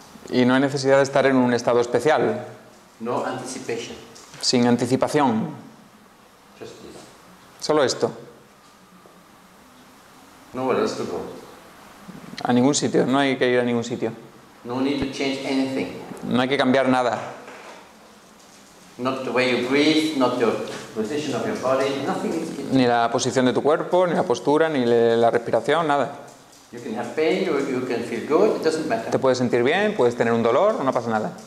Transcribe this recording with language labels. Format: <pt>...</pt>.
<es>Y no hay necesidad de estar en un estado especial.</es> <en>No anticipation.</en> <es>Sin anticipación.</es> <en>Just this.</en> <es>Solo esto.</es> <en>Nowhere else to go.</en> <es>A ningún sitio, no hay que ir a ningún sitio.</es> <en>No need to change anything.</en> <es>No hay que cambiar nada.</es> <en>Not the way you breathe, not the position of your body, nothing is changing.</en> <es>Ni la posición de tu cuerpo, ni la postura, ni la respiración, nada.</es> <en>You can have pain or you can feel good, it doesn't matter.</en> <es>Te puedes sentir bien, puedes tener un dolor, no pasa nada.</es>